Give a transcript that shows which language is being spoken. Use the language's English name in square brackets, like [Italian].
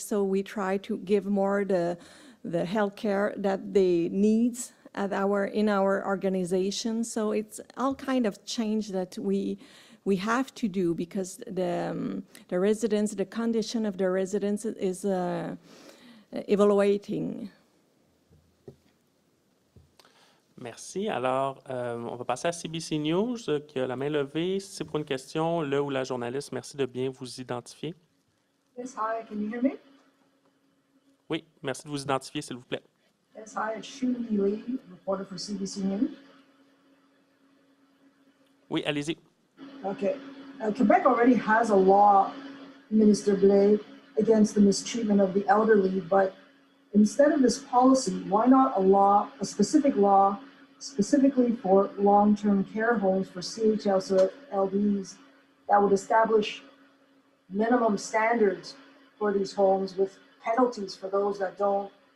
[English] So we try to give more the health care that they need in our organization. So it's all kind of change that we have to do because the residents, the condition of the residents is evaluating. [French] Merci. Alors, on va passer à CBC News, qui a la main levée. Si c'est pour une question, le ou la journaliste, merci de bien vous identifier. [English] Yes, hi, can you hear me? [French] Oui, merci de vous identifier, s'il vous plaît. [English] Yes, hi, it's Shu Li, reporter for CBC News. [French] Oui, allez-y. [English] Okay. Quebec already has a law, Minister Blais, against the mistreatment of the elderly, but instead of this policy, why not a law, a specific law, specifically for long-term care homes for CHSLDs that would establish minimum standards for these homes with penalties for those that don't